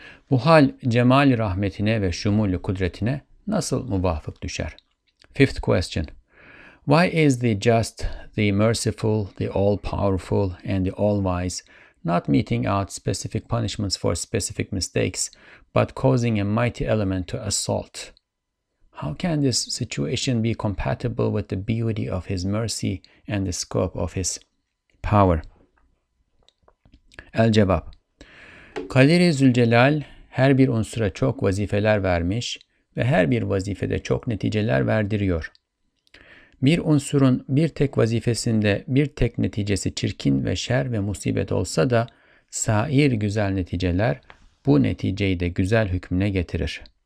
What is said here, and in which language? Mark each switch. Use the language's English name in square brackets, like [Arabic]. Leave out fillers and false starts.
[Turkish] Bu hal cemali rahmetine ve şumuli kudretine nasıl muvafık düşer? [English] Fifth question. Why is the just, the merciful, the all-powerful, and the all-wise not meting out specific punishments for specific mistakes, but causing a mighty element to assault? How can this situation be compatible with the beauty of His mercy and the scope of His power? [Turkish] El-Cevap. Kadir-i Zülcelal her bir unsura çok vazifeler vermiş ve her bir vazifede çok neticeler verdiriyor. Bir unsurun bir tek vazifesinde bir tek neticesi çirkin ve şer ve musibet olsa da sair güzel neticeler bu neticeyi de güzel hükmüne getirir.